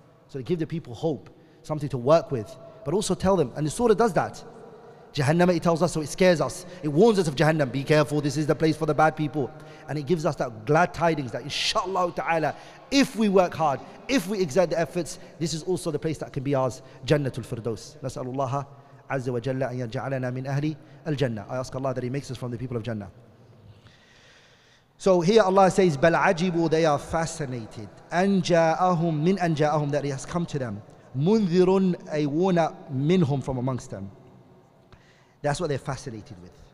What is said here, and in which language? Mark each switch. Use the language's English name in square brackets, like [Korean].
[English] So they give the people hope, something to work with, but also tell them. And the surah does that. Jahannam, it tells us, so it scares us. It warns us of Jahannam. Be careful. This is the place for the bad people. And it gives us that glad tidings that inshallah ta'ala, if we work hard, if we exert the efforts, this is also the place that can be ours. Jannatul Firdaus. [Arabic] Nas'alullaha عز وجل أن يجعلنا من أهل الجنة. [English] I ask Allah that He makes us from the people of Jannah. So here Allah says, [Arabic] بل عجبوا, [English] they are fascinated. [Arabic] أن جاءهم, من أن جاءهم, [English] that He has come to them. [Arabic] منذر, [English] a warner, [Arabic] منهم, [English] from amongst them. That's what they're fascinated with.